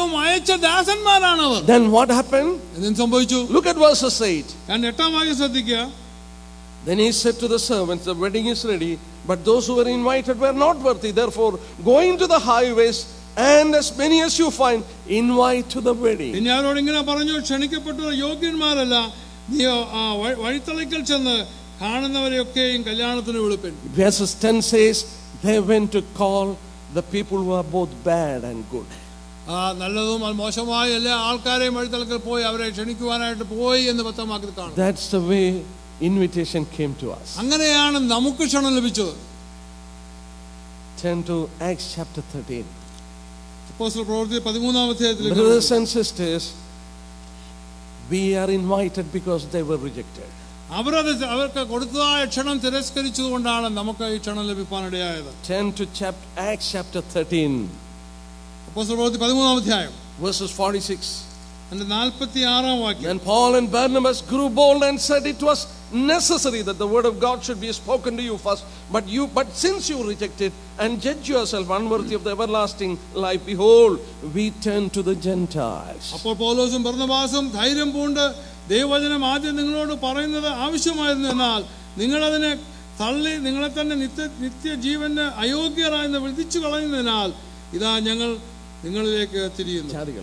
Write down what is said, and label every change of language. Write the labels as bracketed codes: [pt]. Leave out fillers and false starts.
[en] Then what happened? Look at verses 8. Then he said to the servants, "The wedding is ready, but those who were invited were not worthy. Therefore, go into the highways, and as many as you find, invite to the wedding." [ml] ഇനി അവരോടിങ്ങനെ പറഞ്ഞു, ക്ഷണിക്കപ്പെട്ട യോഗ്യന്മാരല്ല, നീ ആ വഴിത്തളിക്കൽ ചെന്ന് കാണുന്നവരെയൊക്കെയും കല്യാണത്തിന് വിളിപ്പിൻ. [en] Verses 10 says, they went to call the people who are both bad and good. [ml] നല്ലതും മോശമായ എല്ലാ ആൾക്കാരെയും വഴിത്തളിക്കൽ പോയി, അവരെ ക്ഷണിക്കുവാനായിട്ട് പോയി എന്ന് വ്യക്തമാക്കി കാണും. [en] That's the way invitation came to us. [ml] അങ്ങനെയാണ് നമുക്ക് ക്ഷണം ലഭിച്ചത്. [en] Turn to Acts chapter 13. Brothers and sisters, we are invited because they were rejected. Turn to Acts chapter 13, verses 46. Then Paul and Barnabas grew bold and said, "It was necessary that the word of God should be spoken to you first, but since you reject it and judge yourself unworthy of the everlasting life, behold, we turn to the Gentiles." [ml] അപ്പോൾ പൗലോസും ബർണബാസും ധൈര്യം പൂണ്ട് ദൈവവചനം ആദ്യം നിങ്ങളോട് പറയുന്നത് ആവശ്യമായിരുന്നു, എന്നാൽ നിങ്ങൾ അതിനെ തള്ളി നിങ്ങളെ തന്നെ നിത്യജീവന് അയോഗ്യരായെന്ന് വിധിച്ചു കളഞ്ഞതിനാൽ ഇതാ ഞങ്ങൾ നിങ്ങളിലേക്ക് തിരിയുന്നു.